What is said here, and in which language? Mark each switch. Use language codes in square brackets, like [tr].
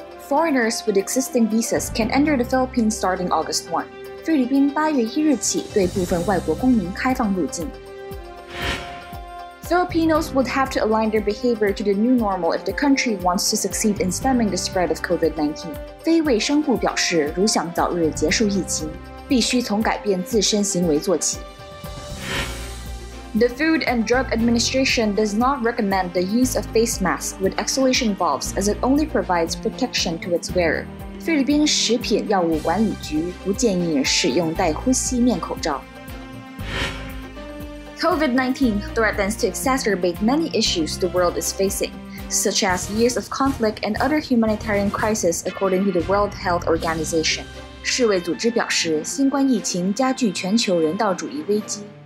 [en] Foreigners with existing visas can enter the Philippines starting August 1. [zh] 菲律宾8月1日起对部分外国公民开放入境。 [en] Filipinos would have to align their behavior to the new normal if the country wants to succeed in stemming the spread of COVID-19. [zh] 非卫生部表示，如想早日结束疫情，必须从改变自身行为做起。 [en] The Food and Drug Administration does not recommend the use of face masks with exhalation valves as it only provides protection to its wearer. [zh] 菲律宾食品药物管理局不建议使用带呼吸面口罩。 [en] COVID-19 threatens to exacerbate many issues the world is facing, such as years of conflict and other humanitarian crises according to the World Health Organization. [zh] 世卫组织表示，新冠疫情加剧全球人道主义危机。